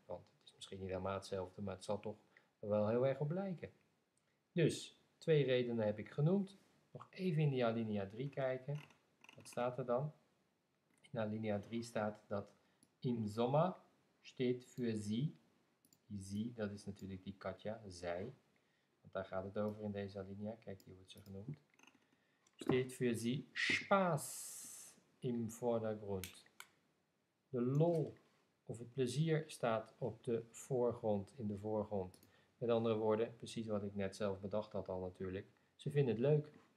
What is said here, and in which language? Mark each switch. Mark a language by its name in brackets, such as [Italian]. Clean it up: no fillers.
[Dutch] Want het is misschien niet helemaal hetzelfde, maar het zal toch wel heel erg op lijken. Dus, 2 redenen heb ik genoemd. Nog even in die alinea 3 kijken. Wat staat er dan? In alinea 3 staat dat [German] im Sommer steht für sie. [Dutch] Die zie, dat is natuurlijk die Katja, zij. Want daar gaat het over in deze alinea. Kijk, hier wordt ze genoemd. [German] Steht für sie Spaß im Vordergrund. [Dutch] De lol of het plezier staat op de voorgrond, in de voorgrond. Met andere woorden, precies wat ik net zelf bedacht had al natuurlijk. Ze vinden het leuk.